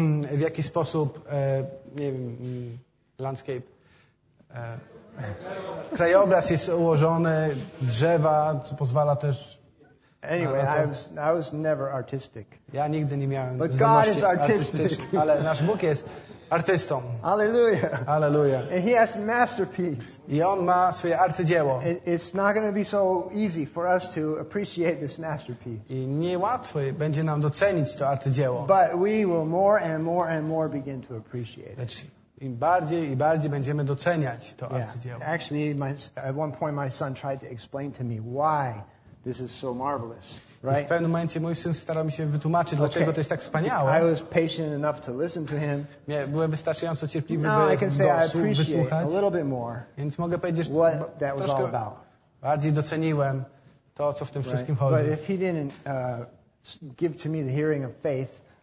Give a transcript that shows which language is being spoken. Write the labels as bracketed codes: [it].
[pl] W jaki sposób, nie wiem, landscape, krajobraz jest ułożony, drzewa, co pozwala też... [en] Anyway, I was never artistic. [pl] Ja nigdy nie miałem [en] But God is artistic. [pl] Ale nasz Bóg jest artystą. [en] Hallelujah. [pl] Hallelujah. [en] And he has a masterpiece. [pl] I on ma swoje arcydzieło. [en] It's not going to be so easy for us to appreciate this masterpiece. [pl] I niełatwo będzie nam docenić to arcydzieło. [en] But we will more and more and more begin to appreciate it. [pl] Im bardziej i bardziej będziemy doceniać to arcydzieło. [en] Yeah. Actually, at one point my son tried to explain to me why this is so marvelous, right? [pl] W pewnym momencie mój syn starał mi się wytłumaczyć, okay. Dlaczego to jest tak wspaniałe. [en] I was patient enough to listen to him. [pl] Byłem wystarczająco cierpliwy, no, by [en] I can say I appreciate [pl] wysłuchać. [en] A little bit more. [pl] Więc mogę powiedzieć, że [en] what that was all about. [pl] Bardziej doceniłem to, co w tym wszystkim chodzi. [en] But if he didn't give to me the hearing of faith,